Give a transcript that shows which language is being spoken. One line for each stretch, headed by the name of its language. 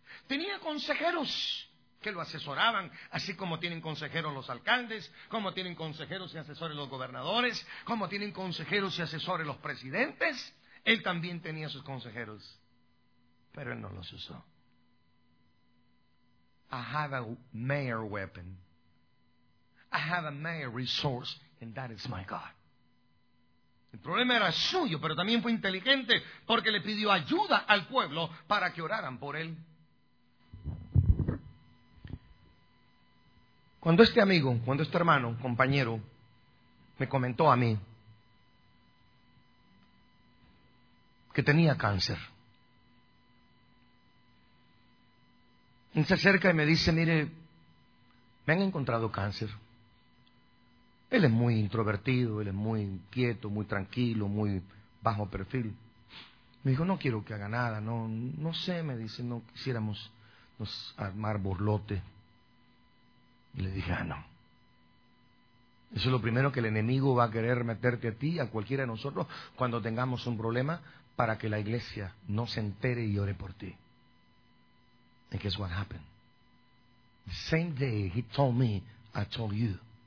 Spanish: Tenía consejeros que lo asesoraban, así como tienen consejeros los alcaldes, como tienen consejeros y asesores los gobernadores, como tienen consejeros y asesores los presidentes. Él también tenía sus consejeros, pero él no los usó.
English: I have a mayor weapon. I have a mayor resource, and that is my God.
Spanish: El problema era suyo, pero también fue inteligente, porque le pidió ayuda al pueblo para que oraran por él. Cuando este amigo, cuando este hermano, compañero, me comentó a mí que tenía cáncer, él se acerca y me dice: mire, me han encontrado cáncer. Él es muy introvertido, él es muy quieto, muy tranquilo, muy bajo perfil. Me dijo: no quiero que haga nada, no sé, me dice, no quisiéramos nos armar borlote. Y le dije, ah, no. Eso es lo primero que el enemigo va a querer meterte a ti, a cualquiera de nosotros, cuando tengamos un problema, para que la iglesia no se entere y ore por ti.
English: And guess what happened? The same day he told me, I told you.